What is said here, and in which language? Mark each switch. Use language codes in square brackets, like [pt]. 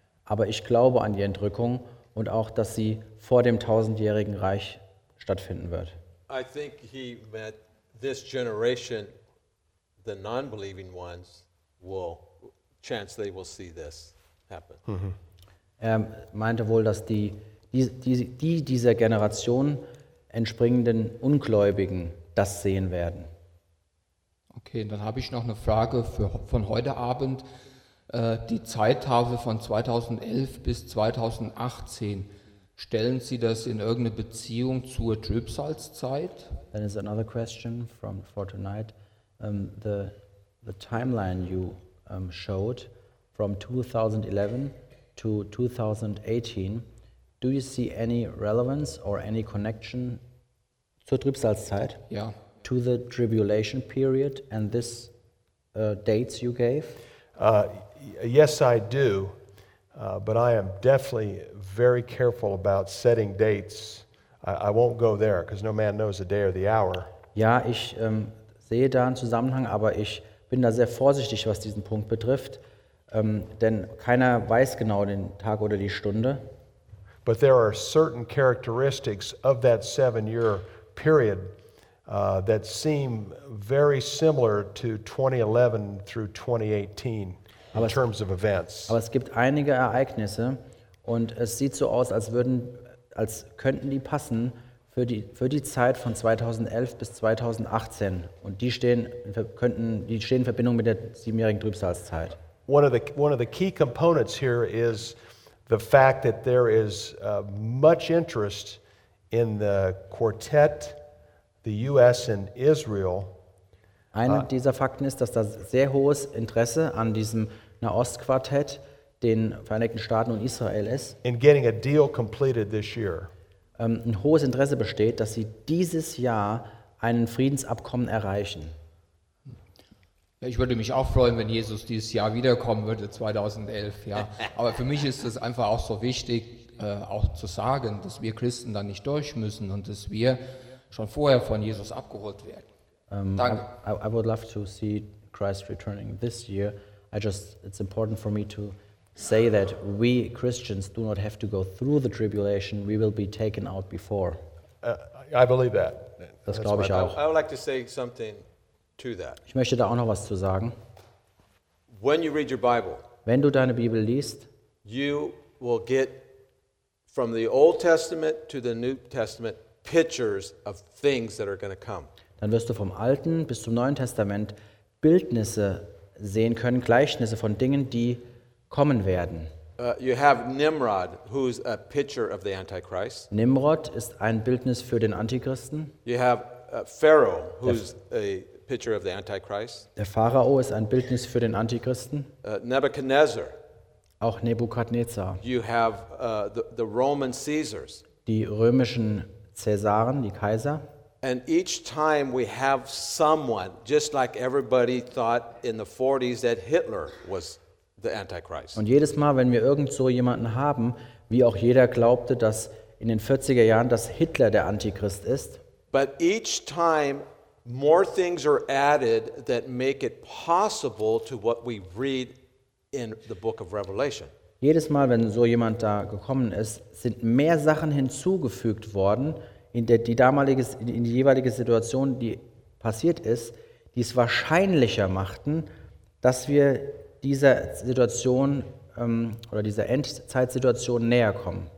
[de] Aber ich glaube an die Entrückung und auch, dass sie vor dem tausendjährigen Reich stattfinden wird. [en] I think he meant this generation, the non-believing ones, will, chance they will see this happen. Mm-hmm. [de] Er meinte wohl, dass die dieser Generation entspringenden Ungläubigen das sehen werden. Okay, dann habe ich noch eine Frage von heute Abend. Die Zeittafel von 2011 bis 2018, stellen Sie das in irgendeine Beziehung zur Trübsalzeit? [en] Then is another question for tonight. The timeline you showed from 2011 to 2018, do you see any relevance or any connection [de] zur Trübsalzeit? Ja. [en] Yeah. To the tribulation period and this dates you gave? Yes, I do, but I am definitely very careful about setting dates. I won't go there, because no man knows the day or the hour. [de] Ja, ich sehe da einen Zusammenhang, aber ich bin da sehr vorsichtig, was diesen Punkt betrifft, denn keiner weiß genau den Tag oder die Stunde. [en] But there are certain characteristics of that seven-year period that seem very similar to 2011 through 2018 in terms of events. [de] Aber es gibt einige Ereignisse und es sieht so aus, als könnten die passen für die Zeit von 2011 bis 2018 und die stehen in Verbindung mit der siebenjährigen Trübsalzeit. [en] One of the key components here is the fact that there is much interest in the quartet, the U.S. and Israel. [de] Einer dieser Fakten ist, dass da sehr hohes Interesse an diesem Nahostquartett, den Vereinigten Staaten und Israel ist. [en] In getting a deal completed this year. [de] Ein hohes Interesse besteht, dass sie dieses Jahr einen Friedensabkommen erreichen. Ich würde mich auch freuen, wenn Jesus dieses Jahr wiederkommen würde, 2011. Ja. Aber für mich ist es einfach auch so wichtig, auch zu sagen, dass wir Christen da nicht durch müssen und dass wir schon vorher von Jesus abgeholt werden. Danke. [en] I would love to see Christ returning this year. It's important for me to say that we Christians do not have to go through the tribulation. We will be taken out before. I believe that. [de] Das glaube ich auch. [en] I would like to say something. To that. [de] Ich möchte da auch noch was zu sagen. [en] When you read your Bible, [de] wenn du deine Bibel liest, [en] you will get from the Old Testament to the New Testament pictures of things that are going to come. [de] Dann wirst du vom Alten bis zum Neuen Testament Bildnisse sehen können, Gleichnisse von Dingen, die kommen werden. [en] You have Nimrod, who's a picture of the Antichrist. [de] Nimrod ist ein Bildnis für den Antichristen. [en] You have Pharaoh, who's a picture of the Antichrist. [de] Der Pharao ist ein Bildnis für den Antichristen. [en] Nebuchadnezzar. [de] Auch Nebukadnezar. [en] You have the Roman Caesars. [de] Die römischen Cäsaren, die Kaiser. [en] And each time we have someone, just like everybody thought in the 40s that Hitler was the Antichrist. [de] Und jedes Mal, wenn wir irgend so jemanden haben, wie auch jeder glaubte, dass in den 40er Jahren dass Hitler der Antichrist ist. [en] But each time more things are added that make it possible to what we read in the book of Revelation. [de] Jedes Mal, wenn so jemand da gekommen ist, sind mehr Sachen hinzugefügt worden in die jeweilige Situation, die passiert ist, die es wahrscheinlicher machten, dass wir dieser Situation oder dieser Endzeitsituation näher kommen.